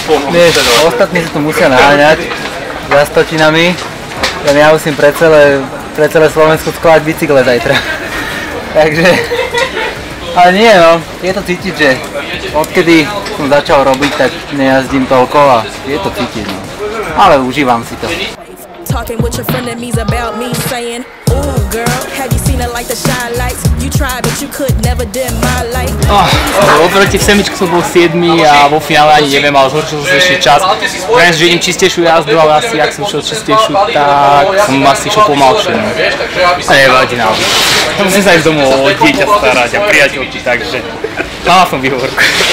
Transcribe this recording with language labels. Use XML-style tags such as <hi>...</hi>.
<sk>Vieš, ostatní si tu musia naháňať. Za stotinami. Len ja musím pre celé Slovensko skladať bicykle zajtra. Takže... Ale nie, no, je to cítiť, že odkedy som začal robiť, tak nejazdím toľko a je to cítiť, no. Ale užívam si to.</sk> <en>Talking with your friend and me's about me saying, ooh girl, have you seen a light that shine lights? You tried but you could never dim my light.</en> <sk>Oproti semičku som bol 7 a vo finále ani neviem, ale zhoršil som ešte čas. Viem, že idem čistejšiu jazdu, ale asi ak som šiel čistejšiu, tak som asi šiel pomalšie. No. A nevadí nám. To musím sa aj z domu o dieťa starať a priateľky, takže mala som výhovorku.</sk>